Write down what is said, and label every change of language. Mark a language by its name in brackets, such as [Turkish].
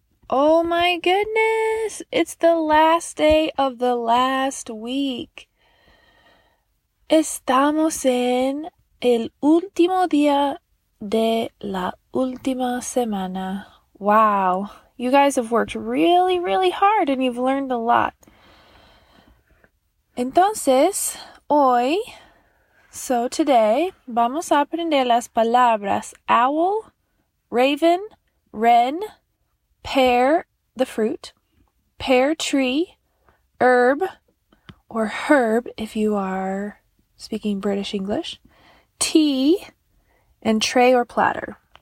[English] Oh my goodness, it's the last day of the last week. [Spanish] Estamos en el último día de la última semana. [English] Wow, you guys have worked really, really hard and you've learned a lot. [Spanish] Entonces, hoy, [English] so today, [Spanish] vamos a aprender las palabras [English] owl, raven, wren, pear, the fruit, pear tree, herb, or herb if you are speaking British English, tea, and tray or platter.